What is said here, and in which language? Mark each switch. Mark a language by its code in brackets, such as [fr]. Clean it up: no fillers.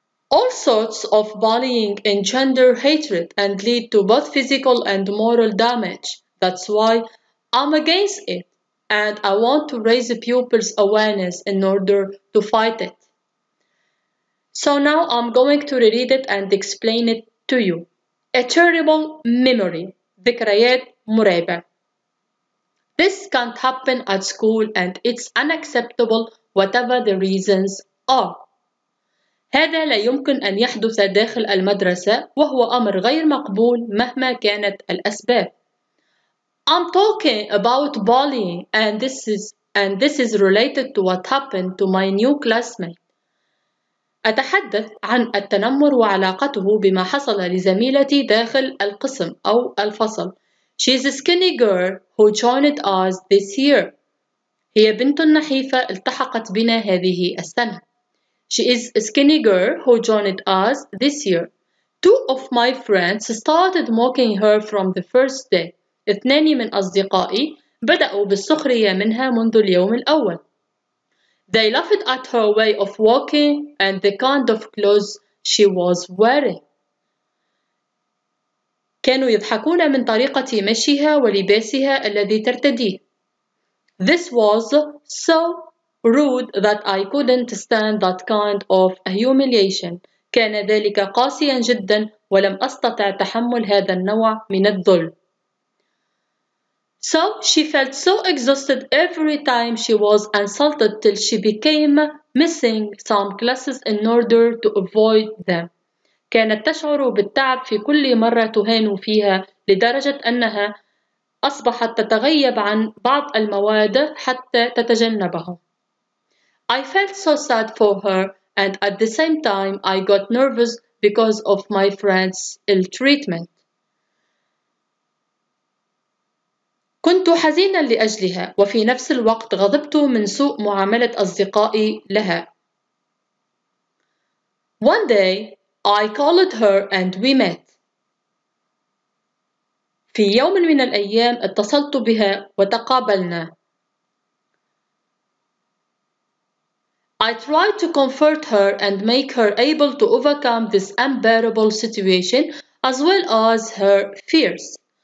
[en] All sorts of bullying engender hatred and lead to both physical and moral damage. That's why I'm against it, and I want to raise pupils' awareness in order to fight it. So now I'm going to reread it and explain it to you. A terrible memory, [ar] ذكريات مرعبة. [en] This can't happen at school and it's unacceptable whatever the reasons are. [ar] هذا لا يمكن أن يحدث داخل المدرسة وهو أمر غير مقبول مهما كانت الأسباب. [en] I'm talking about bullying and this is related to what happened to my new classmate. [ar] أتحدث عن التنمر وعلاقته بما حصل لزميلتي داخل القسم أو الفصل. [en] She's a skinny girl who joined us this year. [ar] هي بنت نحيفة التحقت بنا هذه السنة. [en] She is a skinny girl who joined us this year. Two of my friends started mocking her from the first day. [ar] اثنان من أصدقائي بدأوا بالسخرية منها منذ اليوم الأول. [en] They laughed at her way of walking and the kind of clothes she was wearing. [ar] كانوا يضحكون من طريقة مشيها ولباسها الذي ترتديه. [en] This was so rude that I couldn't stand that kind of humiliation. [ar] كان ذلك قاسيا جدا ولم أستطع تحمل هذا النوع من الذل. [en] So she felt so exhausted every time she was insulted till she became missing some classes in order to avoid them. [ar] كانت تشعر بالتعب في كل مرة تهان فيها لدرجة أنها أصبحت تتغيب عن بعض المواد حتى تتجنبها. [en] I felt so sad for her and at the same time I got nervous because of my friend's ill treatment. [ar] كنت حزينا لأجلها وفي نفس الوقت غضبت من سوء معاملة أصدقائي لها. [en] One day I called her and we met. [ar] في يوم من الأيام اتصلت بها وتقابلنا. [en] I tried to comfort her and make her able to overcome this unbearable situation as well as her fears.